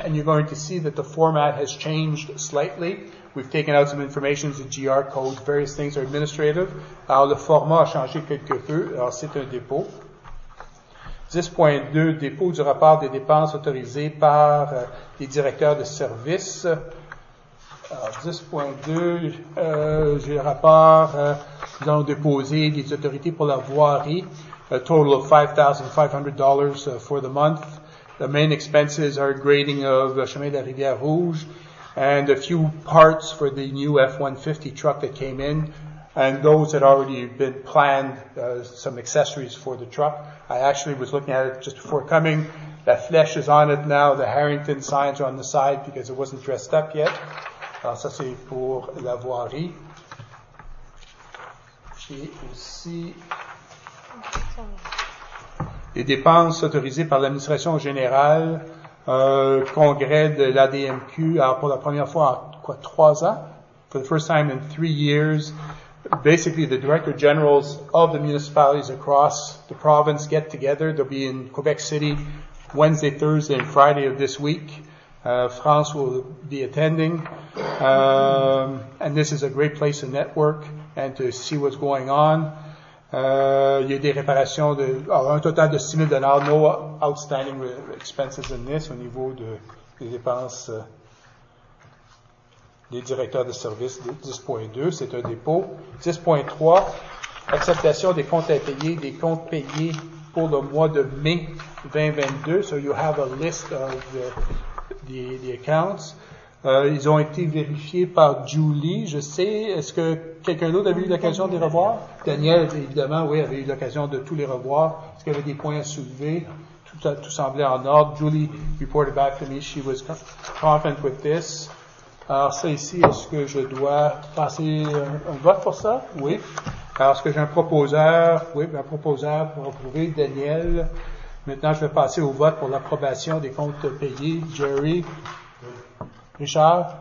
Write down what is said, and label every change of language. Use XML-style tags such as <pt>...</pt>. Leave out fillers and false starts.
<en>And you're going to see that the format has changed slightly. We've taken out some information, the GR code, various things are administrative.</en> <fr>Alors, le format a changé quelque peu, alors c'est un dépôt. 10.2, dépôt du rapport des dépenses autorisées par les directeurs de service. Alors, 10.2, j'ai le rapport, nous allons déposer les autorités pour la voirie.</fr> <en>A total of $5,500 for the month. The main expenses are grading of Chemin de la Rivière Rouge and a few parts for the new F-150 truck that came in. And those had already been planned, some accessories for the truck. I actually was looking at it just before coming. That flèche is on it now. The Harrington signs are on the side because it wasn't dressed up yet.</en> <fr>Alors, ça, c'est pour la voirie. J'ai aussi les dépenses autorisées par l'administration générale, congrès de l'ADMQ, alors pour la première fois en, quoi, 3 ans?</fr> <en>For the first time in 3 years. Basically, the director generals of the municipalities across the province get together. They'll be in Quebec City Wednesday, Thursday, and Friday of this week. France will be attending. And this is a great place to network and to see what's going on.</en> <fr>Il y a des réparations de, alors, un total de 6 000 $.</fr> <en>No outstanding expenses in this</en> <fr>au niveau de, des dépenses des directeurs de service, 10.2, c'est un dépôt. 10.3, acceptation des comptes à payer, des comptes payés pour le mois de mai 2022.</fr> <en>So you have a list of the accounts.</en> <fr>Ils ont été vérifiés par Julie, je sais. Est-ce que quelqu'un d'autre avait eu l'occasion de les revoir? Daniel, évidemment, oui, avait eu l'occasion de tous les revoir. Est-ce qu'il y avait des points à soulever? Tout semblait en ordre.</fr> <en>Julie reported back to me, she was confident with this.</en> <fr>Alors, ça ici, est-ce que je dois passer un vote pour ça? Oui. Alors, est-ce que j'ai un proposeur? Oui, un proposeur pour approuver Daniel. Maintenant, je vais passer au vote pour l'approbation des comptes payés. Jerry? Oui. Richard?</fr>